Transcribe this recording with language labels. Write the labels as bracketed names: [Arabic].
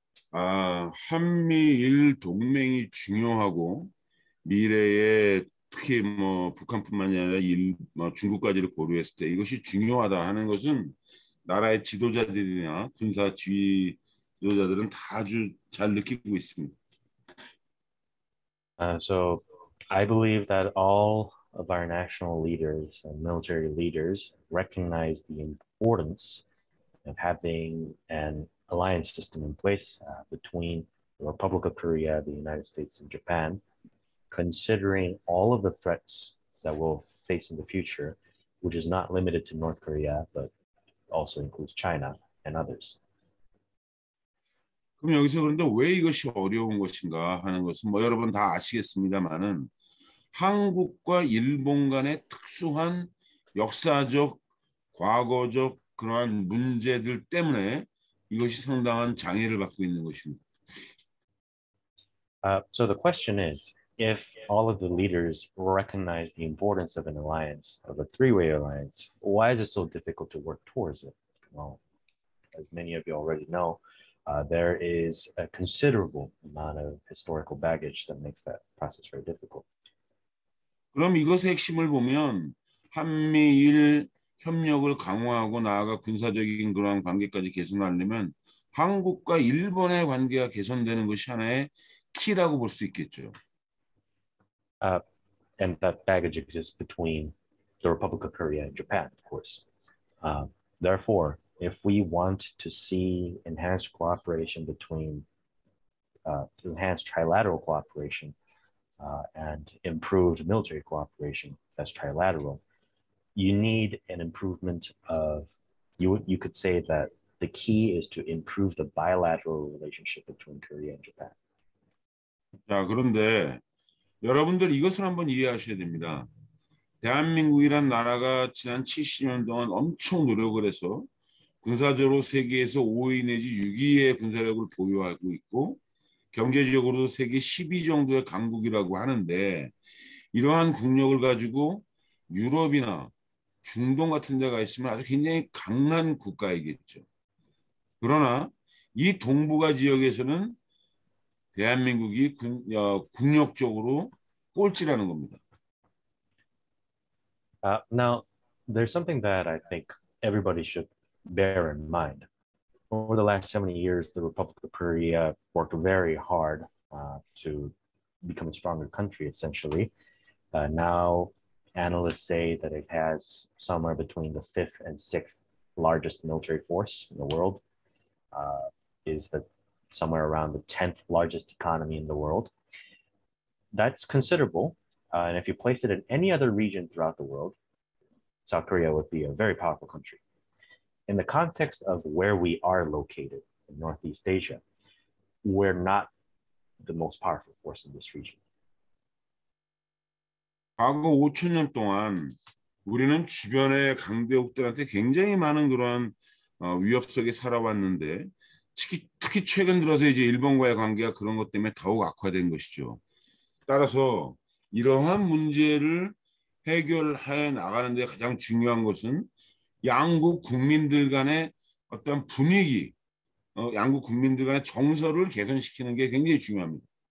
[Korean] 아, 한미일 동맹이 중요하고 미래의 특히 뭐 북한뿐만이 아니라 중국까지를 고려했을 때 이것이 중요하다 하는 것은 나라의 지도자들이나 군사 지도자들은 다 아주 잘 느끼고 있습니다. [English] So I believe that all of our national leaders and military leaders recognize the importance of having an alliance system in place between the Republic of Korea, the United States, and Japan. Considering all of the threats that we'll face in the future, which is not limited to North Korea, but also includes China and others. [Korean] 그럼 여기서 그런데 왜 이것이 어려운 것인가 하는 것은 뭐 여러분 다 아시겠습니다만은 한국과 일본 간의 특수한 역사적, 과거적 그러한 문제들 때문에 이것이 상당한 장애를 받고 있는 것입니다. [English] So the question is, if all of the leaders recognize the importance of an alliance, of a three-way alliance, why is it so difficult to work towards it? Well, as many of you already know, there is a considerable amount of historical baggage that makes that process very difficult. [Korean] 그럼 이것의 핵심을 보면 한미일 협력을 강화하고 나아가 군사적인 그러한 관계까지 개선하려면 한국과 일본의 관계가 개선되는 것이 하나의 키라고 볼 수 있겠죠. [English] And that baggage exists between the Republic of Korea and Japan, of course. Therefore, if we want to see enhanced cooperation between to enhance trilateral cooperation and improved military cooperation. That's trilateral. You need an improvement of, you could say that the key is to improve the bilateral relationship between Korea and Japan. [Korean] 자, 그런데 여러분들 이것을 한번 이해하셔야 됩니다. 대한민국이란 나라가 지난 70년 동안 엄청 노력을 해서 군사적으로 세계에서 5위 내지 6위의 군사력을 보유하고 있고 경제적으로도 세계 10위 정도의 강국이라고 하는데 이러한 국력을 가지고 유럽이나 중동 같은 데가 있으면 아주 굉장히 강한 국가이겠죠. 그러나 이 동북아 지역에서는 대한민국이 국력적으로 꼴찌라는 겁니다. [English] Now, there's something that I think everybody should bear in mind. Over the last 70 years, the Republic of Korea worked very hard to become a stronger country, essentially. Now, analysts say that it has somewhere between the fifth and sixth largest military force in the world, is the somewhere around the 10th largest economy in the world. That's considerable. And if you place it in any other region throughout the world, South Korea would be a very powerful country. In the context of where we are located in Northeast Asia, we're not the most powerful force in this region. [Korean] 과거 5,000년 동안 우리는 주변의 강대국들한테 굉장히 많은 그런 위협 속에 살아왔는데 특히 최근 들어서 이제 일본과의 관계가 그런 것 때문에 더욱 악화된 것이죠. 따라서 이러한 문제를 해결해 나가는 데 가장 중요한 것은 양국 국민들 간의 어떤 분위기, 양국 국민들 간의 정서를 개선시키는 게 굉장히 중요합니다.